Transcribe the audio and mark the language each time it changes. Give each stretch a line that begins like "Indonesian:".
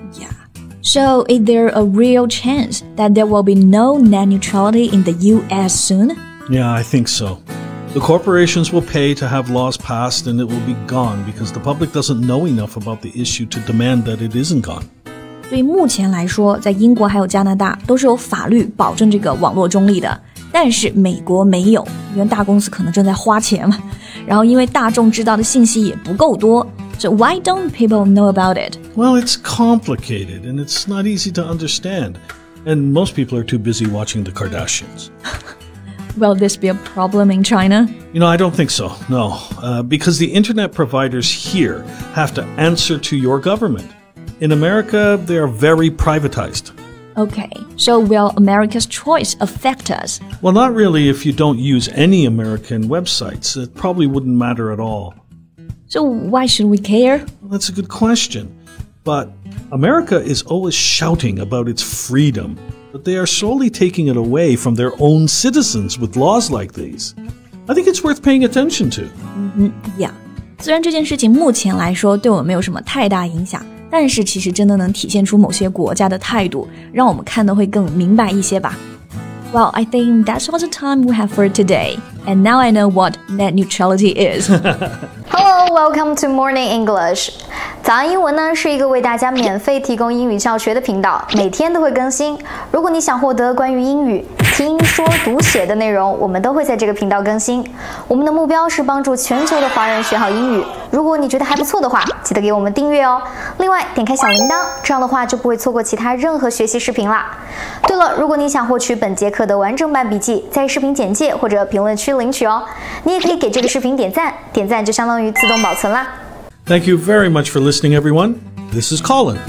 English: Yeah. So is there a real chance that there will be no net neutrality in the U.S. soon? Yeah, I think so. The corporations will pay to have laws passed and it will be gone because the public doesn't know enough about the issue to demand that it isn't gone.
Chinese: 所以目前来说，在英国还有加拿大都是有法律保证这个网络中立的，但是美国没有，因为大公司可能正在花钱嘛。然后因为大众知道的信息也不够多。
English: So why don't people know about it? Well, it's complicated and it's not easy to understand. And most people are too busy watching the Kardashians. Will this be a problem in China? You know, I don't think so, no. Because the internet providers here have to answer to your government. In America, they are very privatized. Okay, so will America's choice affect us? Well, not really if you don't use any American websites. It probably wouldn't matter at all. So why should we care? Well, that's a good question. But America is always shouting about its freedom. But they are slowly taking it away from their own citizens with laws like these. I think it's worth paying attention to. Yeah.
Chinese: 虽然这件事情目前来说对我没有什么太大影响，但是其实真的能体现出某些国家的态度，让我们看得会更明白一些吧。
English: Well, I think that's all the time we have for today. And now I know what net neutrality is. Hello, welcome to Morning English.
Chinese: 早安英文呢是一个为大家免费提供英语教学的频道，每天都会更新。如果你想获得关于英语听说读写的内容，我们都会在这个频道更新。我们的目标是帮助全球的华人学好英语。如果你觉得还不错的话，记得给我们订阅哦。另外，点开小铃铛，这样的话就不会错过其他任何学习视频啦。对了，如果你想获取本节课的完整版笔记，在视频简介或者评论区领取哦。你也可以给这个视频点赞，点赞就相当于自动保存啦。
English: Thank you very much for listening, everyone. This is Colin.